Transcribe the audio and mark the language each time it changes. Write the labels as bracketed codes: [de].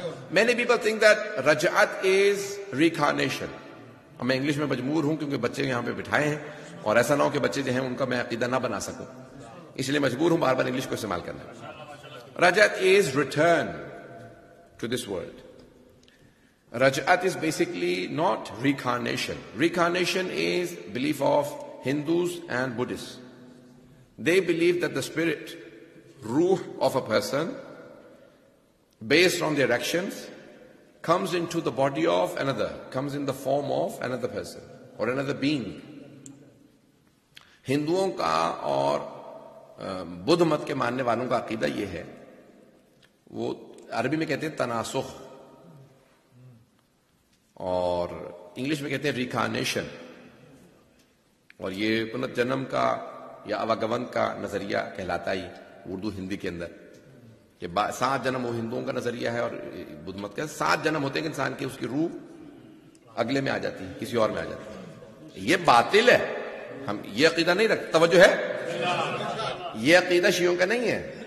[en] Many people think that رجعت is reincarnation. [ur] میں English میں مجبور ہوں کیونکہ بچے یہاں پہ بٹھائے ہیں، اور ایسا نہ ہو کہ بچے جو ہیں ان کا میں عقیدہ نہ بنا سکوں، اس لیے مجبور ہوں بار بار انگلش کو استعمال کرنا. [en] رجعت is return to this world. Rajat is basically not reincarnation. Reincarnation is belief of Hindus and Buddhists. They believe that the spirit, ruh of a person, based on their actions, comes into the body of another, comes in the form of another person or another being. [ur] Hinduon ka aur Buddh mat ke manne walon ka aqeedah ye hai, wo عربی میں کہتے ہیں تناسخ، اور English میں کہتے ہیں ریکارنیشن. اور یہ پنت جنم کا یا اواگمن کا نظریہ کہلاتا ہی اردو ہندی کے اندر، کہ سات جنم وہ ہندوؤں کا نظریہ ہے اور بدھ مت کا. سات جنم ہوتے ہیں انسان کے، اس کی روح اگلے میں آ جاتی ہے، کسی اور میں آ جاتی ہے. یہ باطل ہے، ہم یہ عقیدہ نہیں رکھتے. توجہ ہے، یہ عقیدہ شیعوں کا نہیں ہے.